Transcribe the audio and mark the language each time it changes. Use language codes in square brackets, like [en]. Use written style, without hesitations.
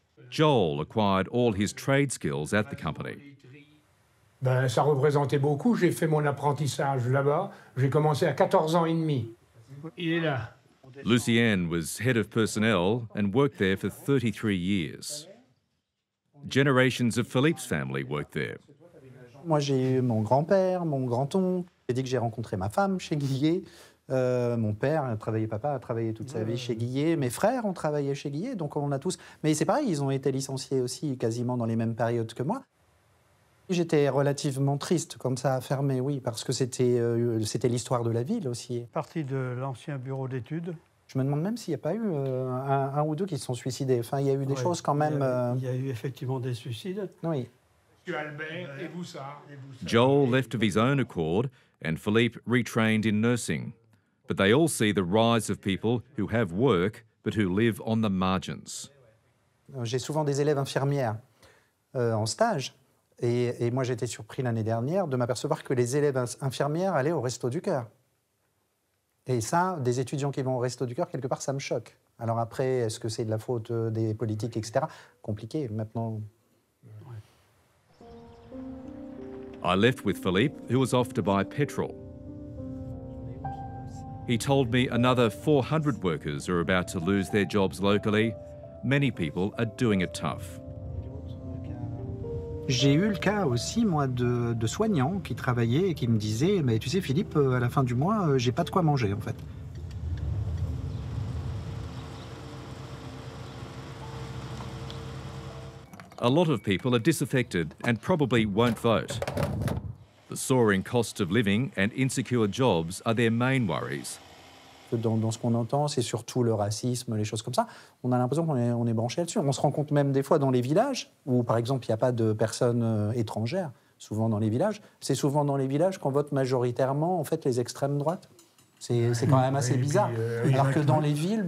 [en] Joel acquired all his trade skills at the company. [fr] Ben, ça représentait beaucoup. J'ai fait mon apprentissage là-bas. J'ai commencé à 14 ans et demi. Il est là. [en] Lucien was head of personnel and worked there for 33 years. Generations of Philippe's family worked there. [fr] Moi, j'ai eu mon grand-père, mon grand-oncle. J'ai dit que j'ai rencontré ma femme chez Guillet. Mon père a travaillé, papa a travaillé toute sa vie chez Guillet. Mes frères ont travaillé chez Guillet, donc on a tous... Mais c'est pareil, ils ont été licenciés aussi quasiment dans les mêmes périodes que moi. J'étais relativement triste quand ça a fermé, oui, parce que c'était l'histoire de la ville aussi. Partie de l'ancien bureau d'études. Je me demande même s'il n'y a pas eu un ou deux qui se sont suicidés. Enfin, il y a eu des choses quand même... Il y a eu effectivement des suicides. Oui. Monsieur Albert et Boussard. [en] Joel left of his own accord and Philippe retrained in nursing. But they all see the rise of people who have work but who live on the margins. [fr] J'ai souvent des élèves infirmières en stage. Et moi, j'étais surpris l'année dernière de m'apercevoir que les élèves infirmières allaient au Resto du Cœur. Et ça, des étudiants qui vont au Resto du Cœur, quelque part, ça me choque. Alors après, est-ce que c'est de la faute des politiques, etc. Compliqué, maintenant. [en] I left with Philippe, who was off to buy petrol. He told me another 400 workers are about to lose their jobs locally. Many people are doing it tough. [fr] J'ai eu le cas aussi, moi, de soignants qui travaillaient et qui me disaient « Mais tu sais, Philippe, à la fin du mois, j'ai pas de quoi manger, en fait. » [en] A lot of people are disaffected and probably won't vote. The soaring cost of living and insecure jobs are their main worries. [fr] Dans ce qu'on entend, c'est surtout le racisme, les choses comme ça. On a l'impression qu'on est branché là-dessus. On se rend compte même des fois dans les villages où, par exemple, il n'y a pas de personnes étrangères, souvent dans les villages. C'est souvent dans les villages qu'on vote majoritairement, en fait, les extrêmes droites. C'est quand même assez bizarre. Alors que dans les villes...